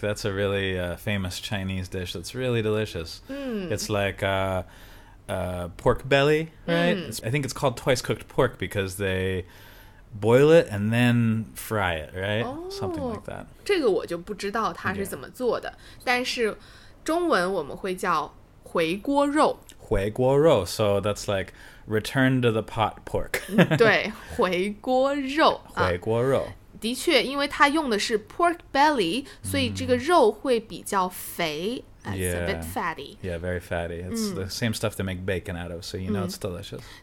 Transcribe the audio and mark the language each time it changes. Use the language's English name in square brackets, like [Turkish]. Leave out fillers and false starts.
[English] That's a really famous Chinese dish that's really delicious. It's like pork belly, right? I think it's called twice cooked pork because they boil it and then fry it, right? Oh, something like that. [Chinese] 这个我就不知道它是怎么做的, yeah. 但是中文我们会叫回锅肉。 [English] 回锅肉, so that's like return to the pot pork. [Chinese] 对,回锅肉。回锅肉。的确,因为它用的是 pork belly, 所以这个肉会比较肥。 [English] Yeah, very fatty. It's the same stuff they make bacon out of, so you know it's delicious.